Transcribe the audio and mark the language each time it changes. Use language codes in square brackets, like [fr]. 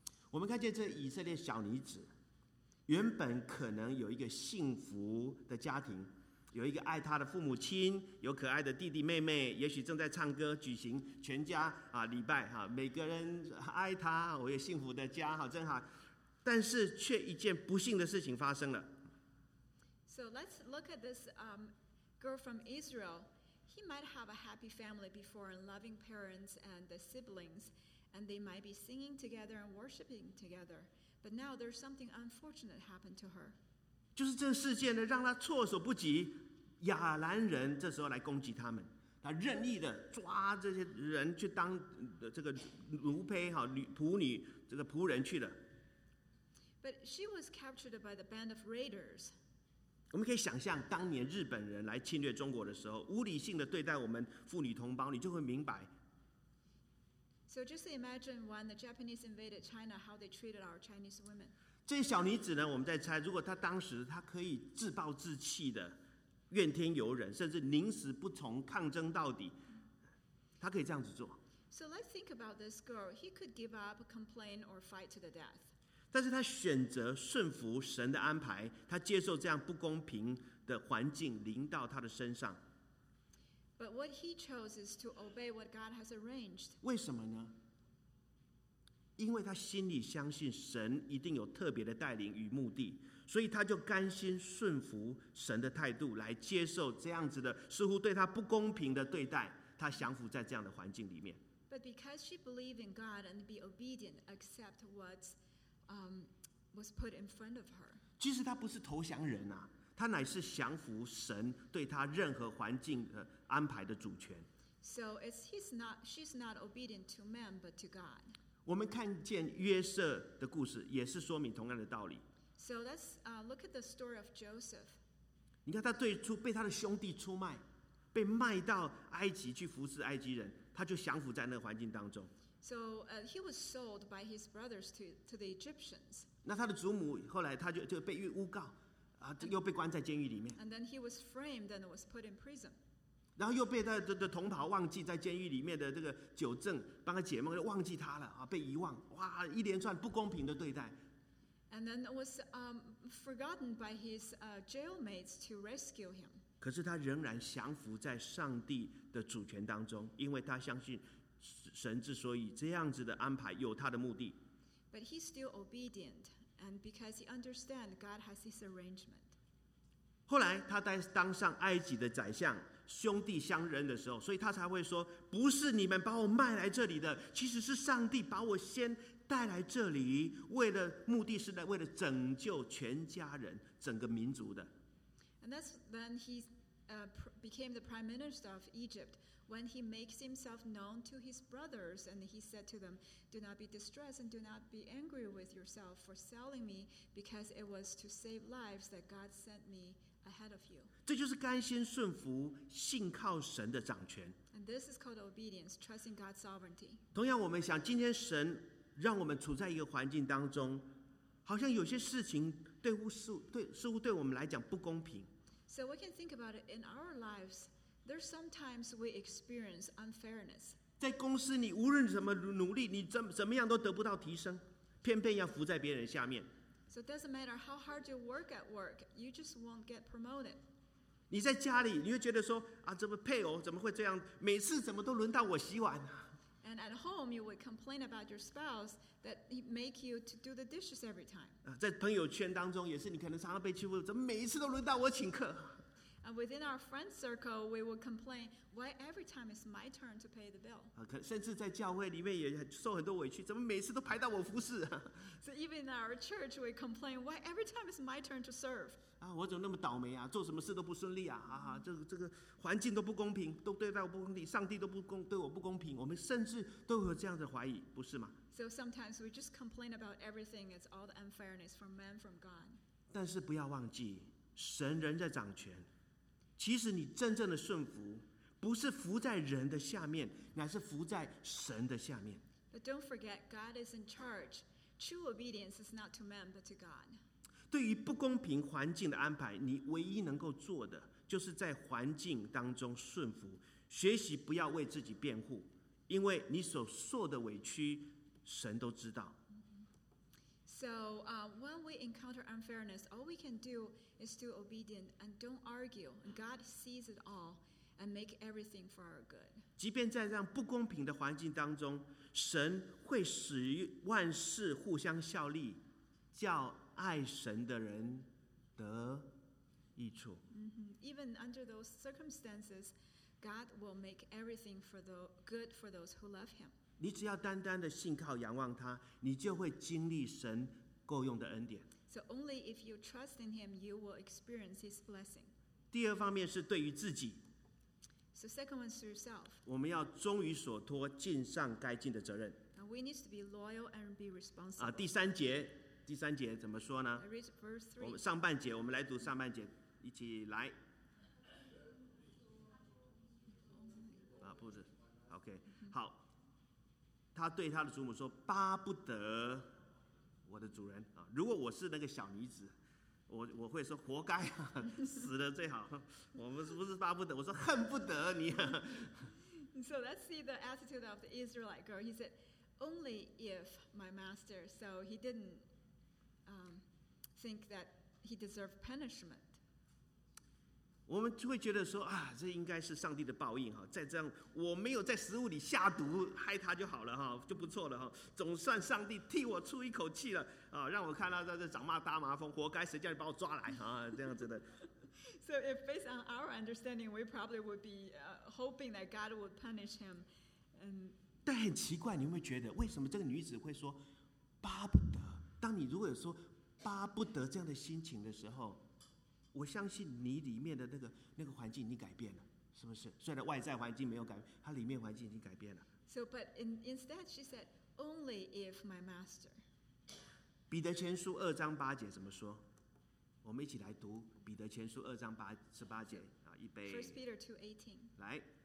[zh] 我们看见这以色列小女子，原本可能有一个幸福的家庭，有一个爱她的父母亲，有可爱的弟弟妹妹，也许正在唱歌，举行全家礼拜每个人爱她，我有幸福的家，好真好。但是却一件不幸的事情发生了。 [en] So let's look at this girl from Israel. He might have a happy family before and loving parents and the siblings, and they might be singing together and worshiping together. But now there's something unfortunate happened to her. [zh] 就是这事件呢，让她措手不及。亚兰人这时候来攻击他们，他任意的抓这些人去当这个奴胚哈女仆女这个仆人去了。 [en] But she was captured by the band of raiders. [zh] 我们可以想象当年日本人来侵略中国的时候，无理性的对待我们妇女同胞，你就会明白。 [en] So just imagine when the Japanese invaded China, how they treated our Chinese women. [zh] 这小女子呢，我们在猜，如果她当时她可以自暴自弃的怨天尤人，甚至宁死不从抗争到底，她可以这样子做。 [en] So let's think about this girl. He could give up, complain, or fight to the death. [zh] 但是他选择顺服神的安排，他接受这样不公平的环境临到他的身上。 [en] But what he chose is to obey what God has arranged. [zh] 为什么呢？因为他心里相信神一定有特别的带领与目的，所以他就甘心顺服神的态度，来接受这样子的似乎对他不公平的对待，她降服在这样的环境里面。 [en] But because she believed in God and be obedient, accept what was put in front of her. [zh] 其实她不是投降人啊，她乃是降服神对她任何环境的安排的主权。 [en] So it's she's not obedient to man but to God. [zh] 我们看见约瑟的故事，也是说明同样的道理。 [en] So let's look at the story of Joseph. [zh] 你看他最初被他的兄弟出卖，被卖到埃及去服侍埃及人，他就降服在那个环境当中。 [en] So he was sold by his brothers to the Egyptians. [zh] 那他的祖母后来他就被诬告，又被关在监狱里面。 [en] And then he was framed and was put in prison. [zh] 然后又被他的同袍忘记，在监狱里面的这个酒正帮他解梦，忘记他了啊，被遗忘，哇，一连串不公平的对待。 [en] And then it was forgotten by his jailmates to rescue him. [zh] 可是他仍然降服在上帝的主权当中，因为他相信神之所以这样子的安排有他的目的。 [en] But he's still obedient, and because he understands God has his arrangement. [zh] 后来他在当上埃及的宰相。兄弟相认的时候，所以他才会说，不是你们把我卖来这里的，其实是上帝把我先带来这里，为了目的是来为了拯救全家人整个民族的。 [en] And that's when he became the prime minister of Egypt, when he makes himself known to his brothers, and he said to them, do not be distressed and do not be angry with yourself for selling me, because it was to save lives that God sent me. Ahead of you. [zh] 这就是甘心顺服信靠神的掌权。 [en] And this is called obedience, trusting God's sovereignty. [zh] 同样我们想，今天神让我们处在一个环境当中，好像有些事情似乎对我们来讲不公平。 [en] So we can think about it in our lives, there's sometimes we experience unfairness. [zh] 在公司你无论怎么努力，你怎么样都得不到提升，偏偏要服在别人下面。 [en] So it doesn't matter how hard you work at work, you just won't get promoted. [zh] 你在家里，你会觉得说啊，怎么配偶怎么会这样？每次怎么都轮到我洗碗啊 [en] ？And at home, you would complain about your spouse that he make you to do the dishes every time. [zh] 在朋友圈当中也是，你可能常常被欺负，怎么每一次都轮到我请客 [en] ？And within our friend circle, we would complain why every time it's my turn to pay the bill. [zh] 甚至在教会里面也受很多委屈，怎么每次都排到我服侍？ [en] So even in our church, we complain, why every time it's my turn to serve? [zh] 啊，我怎么那么倒霉啊？做什么事都不顺利啊！啊，这个环境都不公平，都对待我不公平，上帝都对我不公平。我们甚至都有这样的怀疑，不是吗 [en] ？So sometimes we just complain about everything. It's all the unfairness from man, from God. [zh] 但是不要忘记，神仍在掌权。其实你真正的顺服，不是服在人的下面，乃是服在神的下面。 [en] But don't forget, God is in charge. True obedience is not to man but to God. [zh] 对于不公平环境的安排，你唯一能够做的就是在环境当中顺服，学习不要为自己辩护，因为你所受的委屈，神都知道。 [en] So, when we encounter unfairness, all we can do is to be obedient and don't argue. God sees it all and make everything for our good. [zh] 即便在这样不公平的环境当中。神会使万事互相效力，叫爱神的人得益处。 [en] Even under those circumstances, God will make everything for the good for those who love Him. [zh] 你只要单单的信靠仰望他，你就会经历神够用的恩典。 [en] So only if you trust in Him, you will experience His blessing. [zh] 第二方面是对于自己。 [en] So second one is yourself. [zh] 我们要忠于所托，尽上该尽的责任。 [en] And we need to be loyal and be responsible. [zh] 第三节怎么说呢 [en] ？I read verse three. [zh] 我们上半节，我们来读上半节，一起来。 OK， 好。他对他的祖母说：“巴不得我的主人啊，如果我是那个小女子。” 我会说活该、啊、死了最好我们是不是巴不得我说恨不得你、啊、 [en] So let's see the attitude of the Israelite girl. He said only if my master. So he didn't think that he deserved punishment. [zh] 我们会觉得说啊，这应该是上帝的报应、啊、再这样我没有在食物里下毒害他就好了、啊、就不错了、啊、总算上帝替我出一口气了让我看到在这长骂大麻风活该谁叫你把我抓来、啊、这样子的 [en] So if based on our understanding, we probably would be hoping that God would punish him. And [zh] 但很奇怪，你会觉得为什么这个女子会说巴不得？当你如果有说巴不得这样的心情的时候，我相信你里面的那个环境你改变了，是不是？虽然外在环境没有改变，它里面环境已经改变了。 [en] So, but instead, she said, "Only if my master." [zh] 彼得前书二章八节怎么说？我们一起来读彼得前书二章八十八节啊，预备。 [en] 1 Peter 2:18。 [zh] 来。